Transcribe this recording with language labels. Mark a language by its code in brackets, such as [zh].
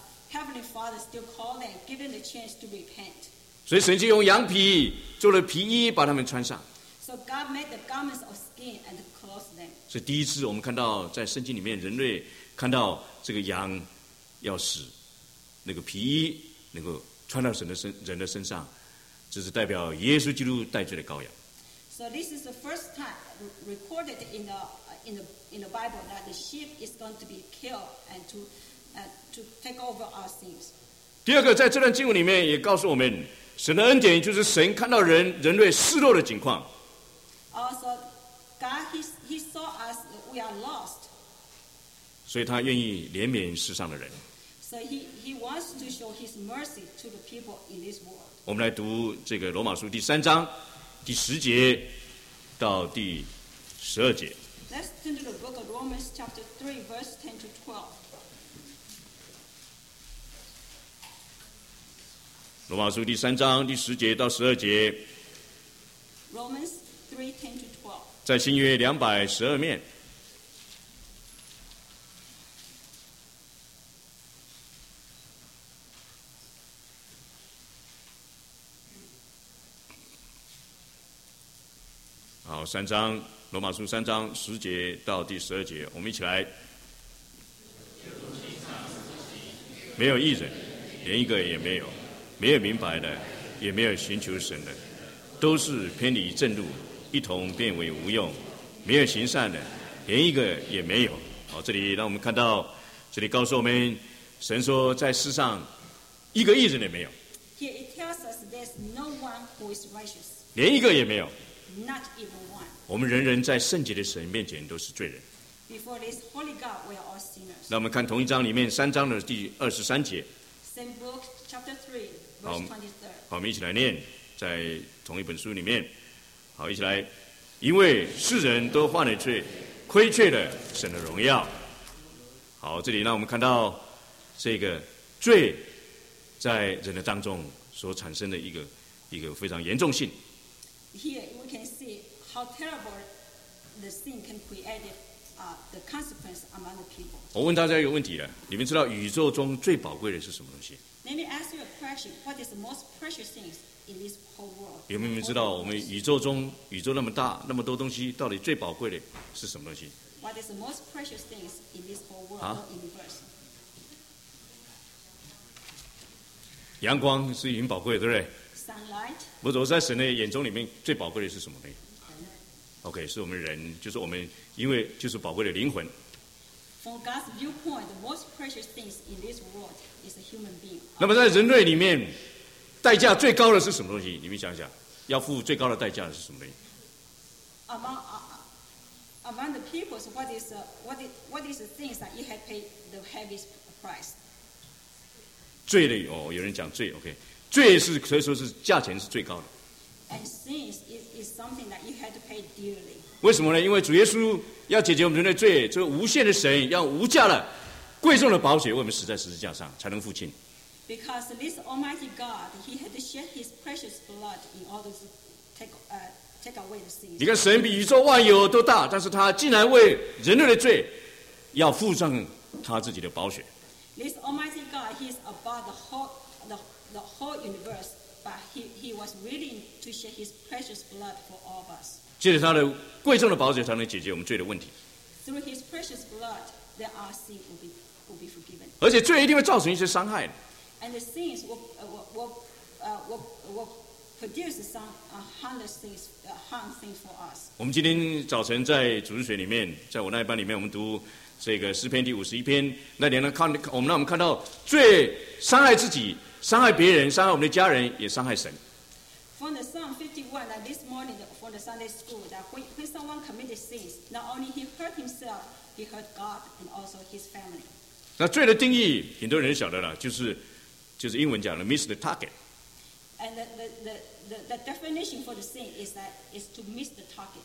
[en] Heavenly Father still calling, giving the chance to repent. [zh] 所以神就用羊皮做了皮衣，把他们穿上。 [en] So God made the garments of skin and clothed them. [zh] 所以第一次我们看到在圣经里面，人类看到这个羊要死，那个皮衣能够穿到人的身上，这是代表耶稣基督代罪的羔羊。 [en] So this is the first time recorded in the Bible that the sheep is going to be killed and to take over our sins. [zh] 第二个，在这段经文里面也告诉我们，神的恩典就是神看到人类失落的境况。 [en] Also, God he saw us we are lost. [zh] 所以他愿意怜悯世上的人。 [en] So he wants to show his mercy to the people in this world. [zh] 我们来读这个罗马书第三章第十节到第十二节。 [en] Let's turn to the book of Romans chapter 3 verse 10 to 12. [zh] 罗马书第三章第十节到十二节。 [en] Romans 3:10-12. [zh] 在新约两百十二面。好，三章，罗马书三章十节到第十二节，我们一起来。没有义人，连一个也没有。没有明白的，也没有寻求神的，都是偏离正路，一同变为无用。没有行善的，连一个也没有。好，这里让我们看到，这里告诉我们，神说在世上一个义人也没有。 [en] Here it tells us there's no one who is righteous. [zh] 连一个也没有。 [en] Not even one. [zh] 我们人人在圣洁的神面前都是罪人。 [en] Before this holy God, we are all sinners. [zh] 那我们看同一章里面三章的第二十三节。 [en] Same book. Chapter 3, verse 23. [zh] 好，我们一起来念，在同一本书里面。好，一起来，因为世人都犯了罪，亏缺了神的荣耀。好，这里让我们看到这个罪在人的当中所产生的一个非常严重性。 [en] Here we can see how terrible the sin can create the consequence among the people. [zh] 我问大家一个问题了，你们知道宇宙中最宝贵的是什么东西？ [en] Let me ask you a question. What is the most precious things in this whole world? [zh] 有没有人知道我们宇宙中宇宙那么大那么多东西，到底最宝贵的是什么东西？ [en] What is the most precious things in this whole world or universe? [zh] 阳光是很宝贵，对不对？ [en] Sunlight. [zh] 不是，我在神的眼中里面最宝贵的是什么呢？OK， 是我们人，就是我们，因为就是宝贵的灵魂。 [en] From God's viewpoint, the most precious things in this world is a human being. [zh] 那么在人类里面，代价最高的是什么东西？你们想想，要付最高的代价的是什么呢？ [en] Among the peoples, what is the things that you have paid the heaviest price? [zh] 罪的哦，有人讲罪 ，OK， 罪是可以说是价钱是最高的。 [en] And sins is something that you had to pay dearly. [zh] 为什么呢？因为主耶稣要解决我们人类罪，这个无限的神要无价的、贵重的宝血为我们死在十字架上，才能付清。 [en] Because this Almighty God, He had to shed His precious blood in order to take away the sins. [zh] 你看，神比宇宙万有都大，但是他竟然为人类的罪要付上他自己的宝血。 [en] This Almighty God, He is above the whole universe, but he was willing to shed His precious blood for all of us. [zh] 借着他的贵重的宝血，才能解决我们罪的问题。 [en] Through His precious blood, then our sin will be forgiven. [zh] 而且罪一定会造成一些伤害。 [en] And the sins will produce some harmful things for us. [zh] 我们今天早晨在主日学里面，在我那一班里面，我们读。这个诗篇第五十一篇，那你能看我们，让我们看到罪伤害自己、伤害别人、伤害我们的家人，也伤害神。 [en] From the Psalm 51, that this morning for the Sunday school, that when someone committed sins, not only he hurt himself, he hurt God and also his family. [zh] 那罪的定义，很多人晓得了，就是英文讲的 [en] miss the target. And the definition for the sin is that is to miss the target.